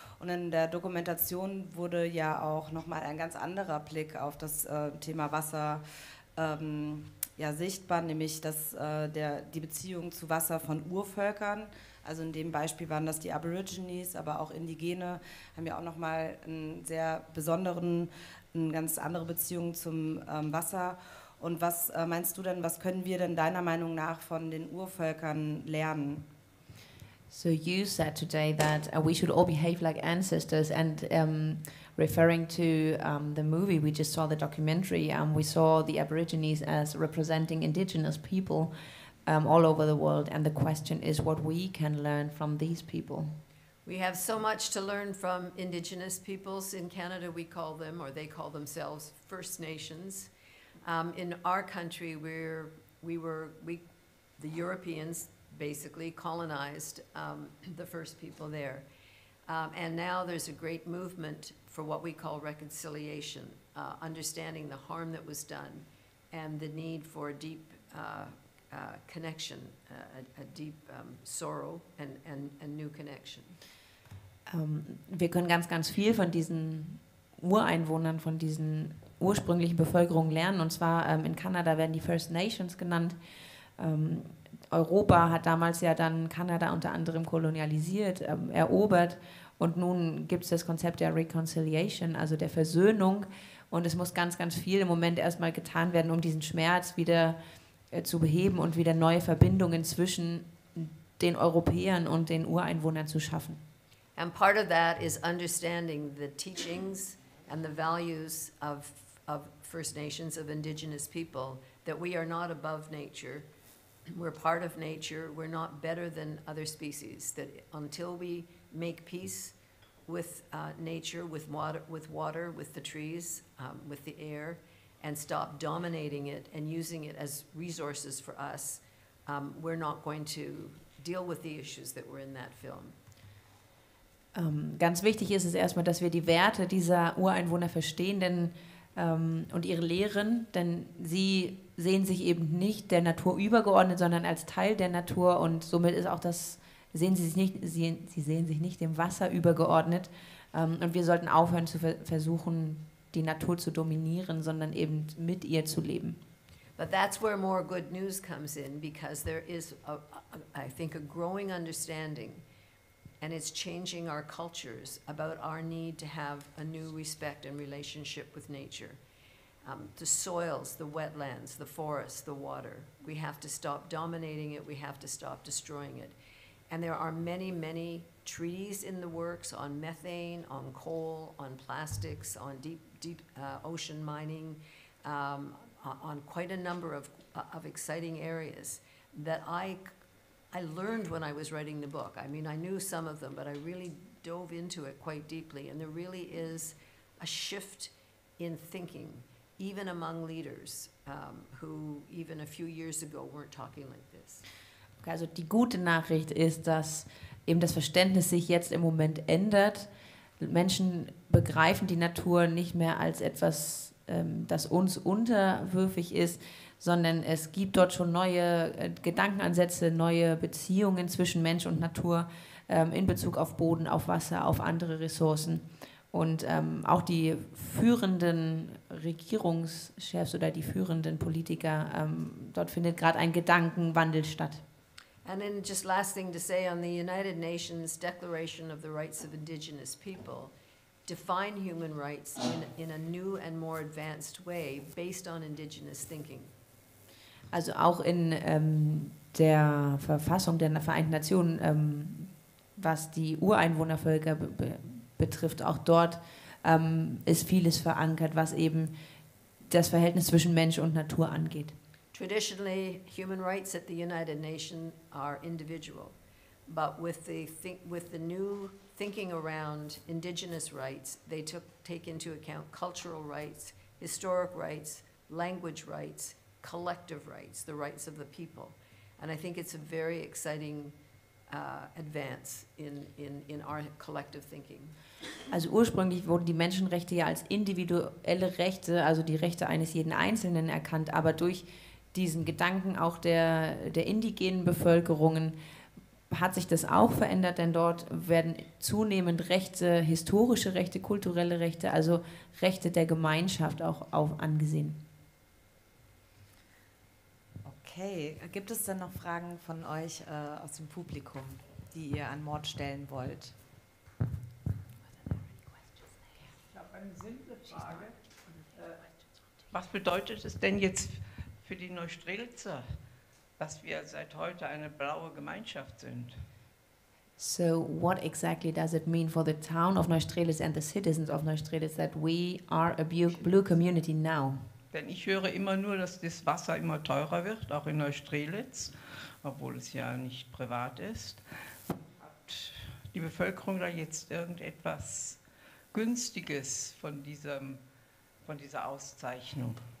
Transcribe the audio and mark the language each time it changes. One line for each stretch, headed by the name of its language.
German: Und in der Dokumentation wurde ja auch noch mal ein ganz anderer Blick auf das Thema Wasser ja, sichtbar, nämlich dass die Beziehung zu Wasser von Urvölkern. Also in dem Beispiel waren das die Aborigines, aber auch Indigene haben ja auch nochmal einen sehr besonderen, eine ganz andere Beziehung zum Wasser. Und was meinst du denn, was können wir denn deiner Meinung nach von den Urvölkern lernen?
English: So you said today that we should all behave like ancestors and referring to the movie, we just saw the documentary, we saw the Aborigines as representing indigenous people. All over the world, and the question is what we can learn from these people. We have so much to learn from Indigenous peoples. In Canada we call them, or they call themselves, First Nations. In our country, the Europeans basically colonized the first people there. And now there's a great movement for what we call reconciliation, understanding the harm that was done and the need for a deep connection, a deep sorrow and new connection.
German: Wir können ganz, ganz viel von diesen Ureinwohnern, von diesen ursprünglichen Bevölkerungen lernen. Und zwar in Kanada werden die First Nations genannt. Europa hat damals ja dann Kanada unter anderem kolonialisiert, erobert. Und nun gibt es das Konzept der Reconciliation, also der Versöhnung. Und es muss ganz, ganz viel im Moment erstmal getan werden, um diesen Schmerz wieder zu beheben und wieder neue Verbindungen zwischen den Europäern und den Ureinwohnern zu schaffen.
English: And part of that is understanding the teachings and the values of First Nations, of Indigenous people, that we are not above nature. We're part of nature. We're not better than other species. That until we make peace with nature, with water, with the trees, with the air, and stop dominating it and using it as resources for us, we're not going to deal with the issues that were in that film.
German: Ganz wichtig ist es erstmal, dass wir die Werte dieser Ureinwohner verstehen, denn und ihre Lehren, denn sie sehen sich eben nicht der Natur übergeordnet, sondern als Teil der Natur, und somit ist auch das, sehen sie sich nicht dem Wasser übergeordnet, und wir sollten aufhören zu versuchen, die Natur zu dominieren, sondern eben mit ihr zu leben.
English: But that's where more good news comes in, because there is, I think, a growing understanding, and it's changing our cultures about our need to have a new respect and relationship with nature. The soils, the wetlands, the forests, the water, we have to stop dominating it, we have to stop destroying it. And there are many, many treaties in the works on methane, on coal, on plastics, on deep ocean mining, on quite a number of exciting areas that I learned when I was writing the book. I mean, I knew some of them, but I really dove into it quite deeply. And there really is a shift in thinking, even among leaders who even a few years ago weren't talking like this.
German: Okay, also die gute Nachricht ist, dass eben das Verständnis sich jetzt im Moment ändert. Menschen begreifen die Natur nicht mehr als etwas, das uns unterwürfig ist, sondern es gibt dort schon neue Gedankenansätze, neue Beziehungen zwischen Mensch und Natur in Bezug auf Boden, auf Wasser, auf andere Ressourcen. Und auch die führenden Regierungschefs oder die führenden Politiker, dort findet gerade ein Gedankenwandel statt.
English: And then just last thing to say on the United Nations Declaration of the Rights of Indigenous People, define human rights in a new and more advanced way based on indigenous thinking.
German: Also auch in der Verfassung der Vereinten Nationen, was die Ureinwohnervölker betrifft, auch dort ist vieles verankert, was eben das Verhältnis zwischen Mensch und Natur angeht.
English: Traditionally, human rights at the United Nations are individual, but with the new thinking around indigenous rights, they take into account cultural rights, historic rights, language rights, collective rights, the rights of the people. And I think it's a very exciting advance in our collective thinking.
German: Also ursprünglich wurden die Menschenrechte ja als individuelle Rechte, also die Rechte eines jeden Einzelnen erkannt, aber durch diesen Gedanken auch der indigenen Bevölkerungen hat sich das auch verändert, denn dort werden zunehmend Rechte, historische Rechte, kulturelle Rechte, also Rechte der Gemeinschaft auch angesehen. Okay, gibt es denn noch Fragen von euch aus dem Publikum, die ihr an Mort stellen wollt? Ich habe eine simple Frage. Was bedeutet es denn jetzt für die Neustrelitzer, dass wir seit heute eine blaue Gemeinschaft sind?
English: So what exactly does it mean for the town of Neustrelitz and the citizens of Neustrelitz that we are a blue community now?
German: Denn ich höre immer nur, dass das Wasser immer teurer wird, auch in Neustrelitz, obwohl es ja nicht privat ist. Hat die Bevölkerung da jetzt irgendetwas Günstiges von dieser Auszeichnung?